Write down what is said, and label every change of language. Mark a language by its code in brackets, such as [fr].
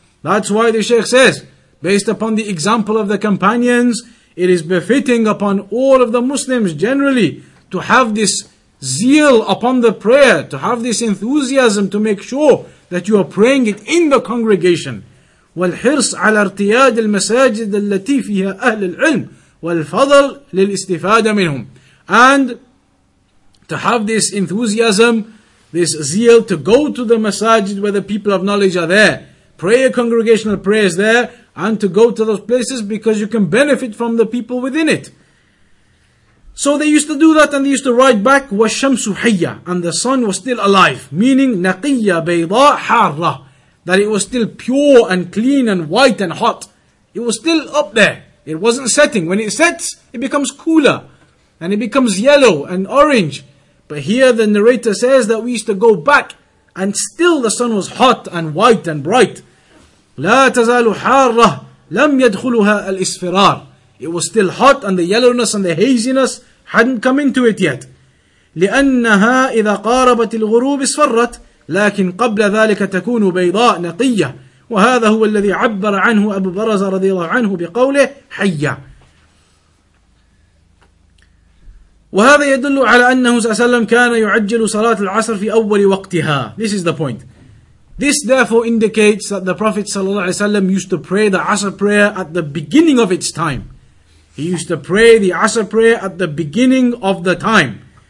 [en] That's why the Shaykh says, based upon the example of the companions, it is befitting upon all of the Muslims generally to have this zeal upon the prayer, to have this enthusiasm to make sure that you are praying it in the congregation. [ar] والحرص على ارتياد المساجد التي فيها أهل العلم والفضل للاستفادة منهم. [en] And to have this enthusiasm, this zeal to go to the masajid where the people of knowledge are there, pray a congregational prayers there, and to go to those places because you can benefit from the people within it. So they used to do that, and they used to ride back, [ar] وَالشَّمْسُ حَيَّةً, [en] and the sun was still alive, meaning [ar] نَقِيَّ بَيْضَاءَ حَارَّةً, [en] that it was still pure and clean and white and hot. It was still up there. It wasn't setting. When it sets, it becomes cooler, and it becomes yellow and orange. But here the narrator says that we used to go back, and still the sun was hot and white and bright. [ar] لَا تَزَالُ حَارَّةً لَمْ يَدْخُلُهَا الْإِسْفِرَارِ. [en] It was still hot, and the yellowness and the haziness hadn't come into it yet. [ar] لأنها إذا قاربت الغروب اصفرت, لكن قبل ذلك تكون بيضاء نقية. وهذا هو الذي عبر عنه أبو برزة رضي الله عنه بقوله حية. وهذا يدل على أنه صلى الله عليه وسلم كان يعجل صلاة العصر في أول وقتها. [en] This is the point. This therefore indicates that the Prophet صلى الله عليه وسلم used to pray the Asr prayer at the beginning of its time. He used to pray the Asr prayer at the beginning of the time.